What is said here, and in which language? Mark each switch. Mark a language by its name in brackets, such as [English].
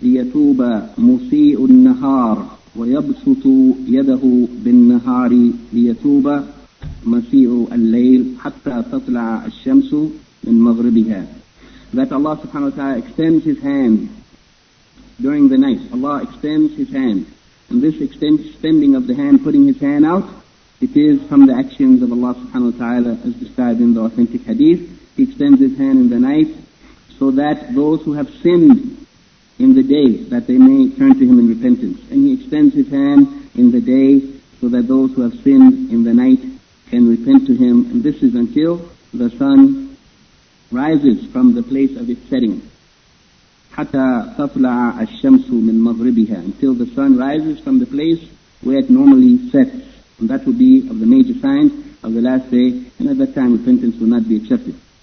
[Arabic] ليتوب مسيء النهار ويبسط يده بالنهار ليتوب مسيء الليل حتى تطلع الشمس من مغربها. [English] That Allah subhanahu wa ta'ala extends his hand during the night. Allah extends his hand. And this extending of the hand, putting his hand out, it is from the actions of Allah subhanahu wa ta'ala as described in the authentic hadith. He extends his hand in the night so that those who have sinned in the day, that they may turn to him in repentance. And he extends his hand in the day so that those who have sinned in the night can repent to him. And this is until the sun rises from the place of its setting. [Arabic] حَتَى تَطْلَعَ الشَّمْسُ مِنْ مَغْرِبِهَا. [English] Until the sun rises from the place where it normally sets. And that will be of the major signs of the last day. And at that time, repentance will not be accepted.